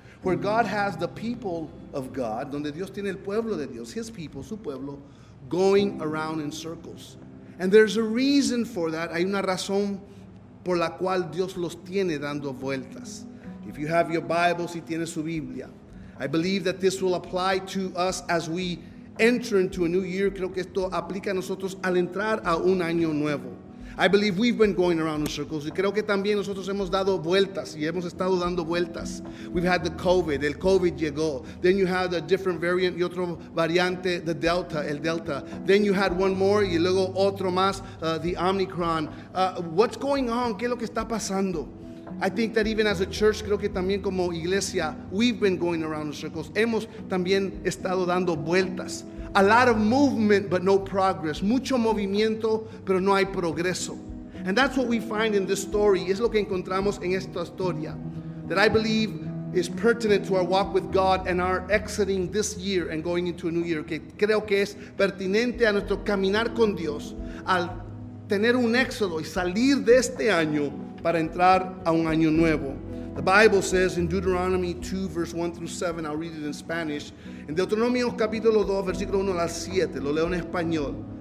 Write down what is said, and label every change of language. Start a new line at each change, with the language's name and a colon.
English: Where God has the people of God,
Spanish: donde Dios tiene el pueblo de Dios,
English: his people,
Spanish: su pueblo,
English: going around in circles. And there's a reason for that.
Spanish: Hay una razón por la cual Dios los tiene dando vueltas.
English: If you have your Bible,
Spanish: si tiene su Biblia,
English: I believe that this will apply to us as we enter into a new year.
Spanish: Creo que esto aplica a nosotros al entrar a un año nuevo.
English: I believe we've been going around in circles.
Spanish: Y creo que también nosotros hemos dado vueltas y hemos estado dando vueltas.
English: We've had the COVID.
Spanish: El COVID llegó.
English: Then you had a different variant
Spanish: y otro variante,
English: the Delta,
Spanish: el Delta.
English: Then you had one more
Spanish: y luego otro más,
English: the Omicron. What's going on?
Spanish: ¿Qué es lo que está pasando?
English: I think that even as a church,
Spanish: creo que también como iglesia,
English: we've been going around in circles.
Spanish: Hemos también estado dando vueltas.
English: A lot of movement, but no progress.
Spanish: Mucho movimiento, pero no hay progreso.
English: And that's what we find in this story.
Spanish: Es lo que encontramos en esta historia.
English: That I believe is pertinent to our walk with God and our exiting this year and going into a new year.
Spanish: Que creo que es pertinente a nuestro caminar con Dios al tener un éxodo y salir de este año para entrar a un año nuevo.
English: The Bible says in Deuteronomy 2, verse 1 through 7, I'll read it in Spanish.
Spanish: In Deuteronomio capítulo 2, versículo 1 al 7, lo leo en español.